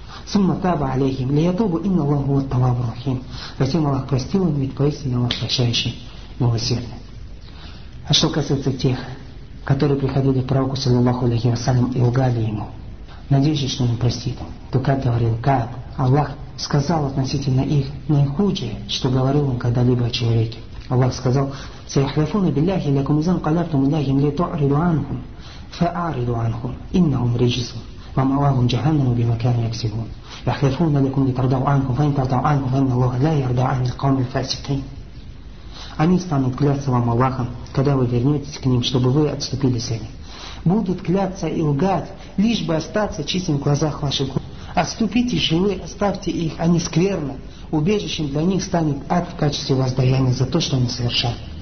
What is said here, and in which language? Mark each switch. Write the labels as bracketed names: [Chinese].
[Arabic] «Сумма таба алейхим лиятубу инна Аллаху ат-тавваб рахим». [Russian] Затем Аллах простил им, ведь поистине Аллах прощающий, милосердный. А что касается тех, которые приходили к пророку, саллиллаху алейхи вассалям, и лгали ему, надеясь, что он простит им, то как говорил Кааб, Аллах сказал относительно их наихудшее, что говорил он когда-либо о человеке. Аллах сказал: [Arabic] سيحلفون بالله لكم إذا انقلبتم إليهم لتعرضوا عنهم فأعرضوا عنهم إنهم رجس ومأواهم جهنم بما كانوا يكسبون. يحلفون لكم لترضوا عنهم فإن ترضوا عنهم فإن الله لا يرضى عن القوم الفاسقين. [Russian] Они станут клясться вам Аллахом, когда вы вернетесь к ним, чтобы вы отступили сами. Будут кляться и лгать, лишь бы остаться чистым в глазах ваших. Отступите же вы, оставьте их, они скверны. Убежищем для них станет ад в качестве воздаяния за то, что они совершают.